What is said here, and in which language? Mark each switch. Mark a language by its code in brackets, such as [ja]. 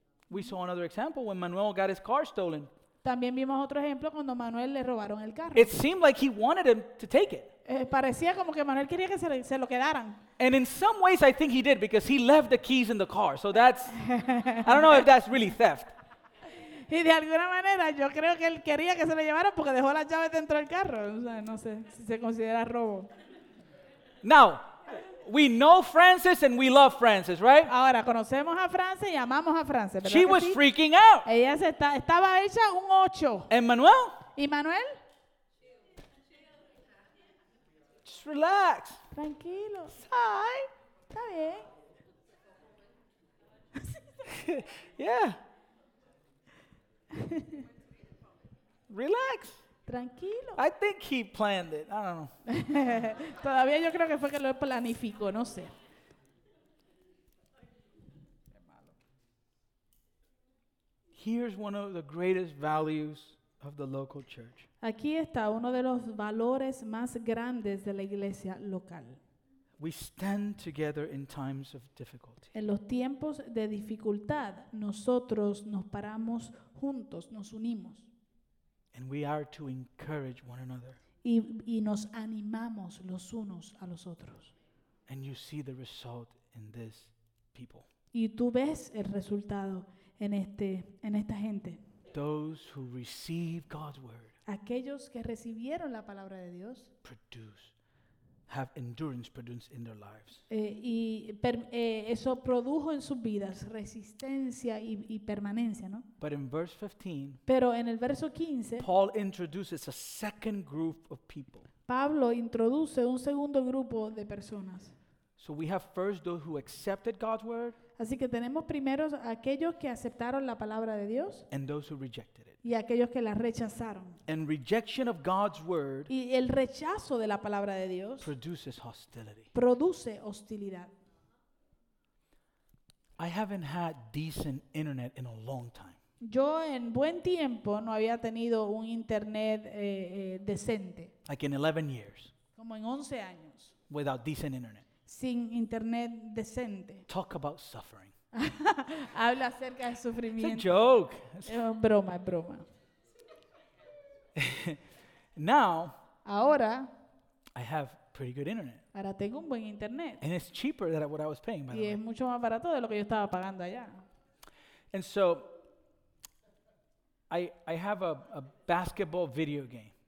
[en] We saw another example when Manuel got his car stolen. [es] También vimos otro ejemplo cuando Manuel le robaron el carro. [en] It seemed like he wanted him to take it. [es] Parecía como que Manuel quería que se lo quedaran. [en] And in some ways I think he did because he left the keys in the car. So that's I don't know if that's really theft. [es] Y de alguna manera yo creo que él quería que se lo llevaran porque dejó las llaves dentro del carro. O sea, no sé si se considera robo. [en] Now, we know Frances and we love Frances, right? [es] Ahora conocemos a Frances y amamos a Frances, ¿verdad? [en] She was [es] sí? [en] freaking out. [es] Ella estaba hecha un ocho. [en] And Manuel? [es] ¿Y Manuel? [en] Relax. [es] Tranquilo. [en] Hi. [es] Está bien. [en] Yeah. Relax. [es] Tranquilo. [en] I think he planned it. I don't know. [es] Todavía yo creo que fue que lo planificó, no sé. [en] Here's one of the greatest values of the local church. [es] Aquí está uno de los valores más grandes de la iglesia local. [en] We stand together in times of difficulty. [es] En los tiempos de dificultad, nosotros nos paramos juntos, nos unimos. [en] And we are to encourage one another. [es] Y nos animamos los unos a los otros. [en] And you see the result in this people. [es] Y tú ves el resultado en esta gente. [en] Those who receive God's word. [es] Aquellos que recibieron la palabra de Dios [en] have endurance produced in their lives. [es] Eso produjo en sus vidas resistencia y permanencia, ¿no? [en] But in verse 15, [es] pero en el verso 15, [en] Paul introduces a second group of people. [es] Pablo introduce un segundo grupo de personas. [en] So we have first those who accepted God's word. [es] Así que tenemos primero aquellos que aceptaron la palabra de Dios [en] and those who rejected it. [es] y aquellos que la rechazaron. [en] And rejection of God's word [es] y el rechazo de la palabra de Dios [en] produces hostility. [es] Produce hostilidad. [en] I haven't had decent internet in a long time. [es] Yo en buen tiempo no había tenido un internet decente. [en] Like in 11 years. [es] Como en 11 años. [en] Without decent internet. [es] Sin internet decente. [en] Talk about suffering. [es] Habla acerca de sufrimiento. [en] It's a joke. [es] Es broma. [en] Now, [es] ahora, [en] I have pretty good internet. [es] Ahora tengo un buen internet. [en] And it's cheaper than what I was paying, by the way. [es] Y es mucho más barato de lo que yo estaba pagando allá. [en] And so, I have a basketball video game.